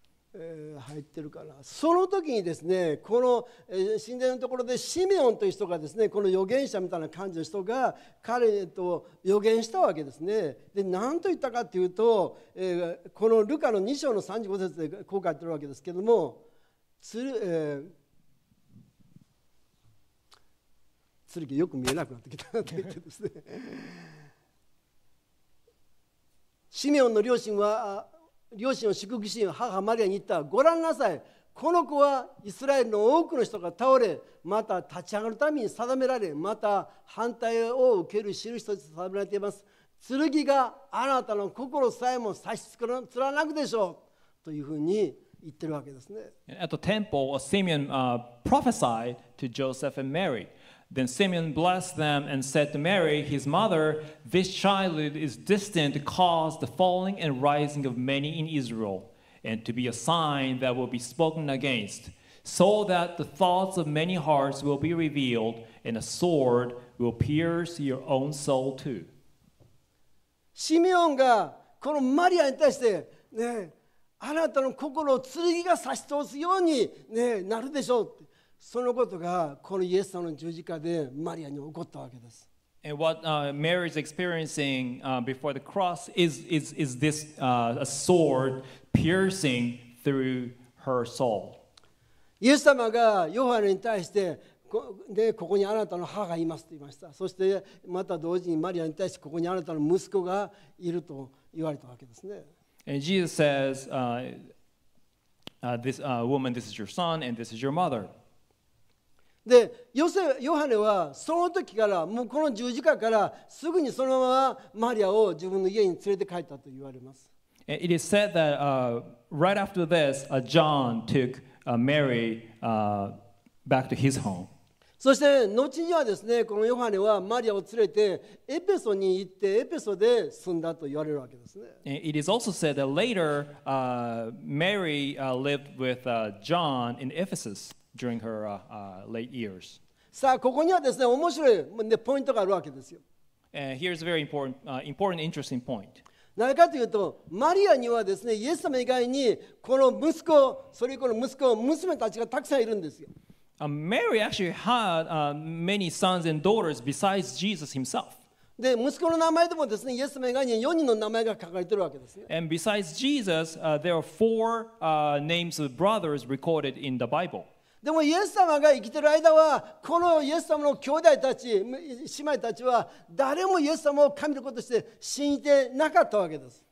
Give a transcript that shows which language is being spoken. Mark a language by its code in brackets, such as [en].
[ja] 入ってるかな。その時にですね、この神殿のところでシメオンという人がですね、この預言者みたいな感じの人が彼と預言したわけですね。で、何と言ったかというと、このルカの2章の35節でこう書いてるわけですけども、つるぎよく見えなくなってきたって言ってですね。シメオンの両親は両親を祝福し、母マリアに言った。ご覧なさい、この子はイスラエルの多くの人が倒れ、また立ち上がるために定められ、また反対を受ける印として定められています。剣があなたの心さえも差し貫くでしょうというふうに言ってるわけですね。 [en] At the temple, Simeon prophesied to Joseph and Mary. Then Simeon blessed them and said to Mary, his mother, this child is destined to cause the falling and rising of many in Israel, and to be a sign that will be spoken against, so that the thoughts of many hearts will be revealed, and a sword will pierce your own soul too. [ja] シメオンがこのマリアに対して、ね、あなたの心を剣が差し通すように、ね、なるでしょう。そのことがこのイエス様の十字架でマリアに起こったわけです。 [en] And what Mary is experiencing before the cross is this a sword piercing through her soul. [ja] イエス様がヨハネに対して でここにあなたの母がいますと言いました。そしてまた同時にマリアに対してここにあなたの息子がいると言われたわけですね。 [en] And Jesus says, this woman, this is your son, and this is your mother. [ja] でヨハネはその時からもうこの十字架からすぐにそのままマリアを自分の家に連れて帰ったと言われます。 [en] It is said that right after this, John took Mary back to his home. [ja] そして後にはですね、このヨハネはマリアを連れてエペソに行ってエペソで住んだと言われるわけですね。 [en] It is also said that later Mary lived with John in Ephesus. During her late years. [ja] さあここにはですね面白い、ね、ポイントがあるわけですよ。 [en] Here's a very important, interesting point. [ja] 何かというとマリアにはですねイエス様以外にこの息子、それ以降の息子、娘たちがたくさんいるんですよ。 [en] Mary actually had many sons and daughters besides Jesus himself. [ja] で、息子の名前でもですね、イエス名が4人の名前が書かれてるわけですね。 [en] And besides Jesus, there are four names of brothers recorded in the Bible. [ja] でもイエス様が生きてる間は、このイエス様の兄弟たち、姉妹たちは、誰もイエス様を神の子として信じてなかったわけです。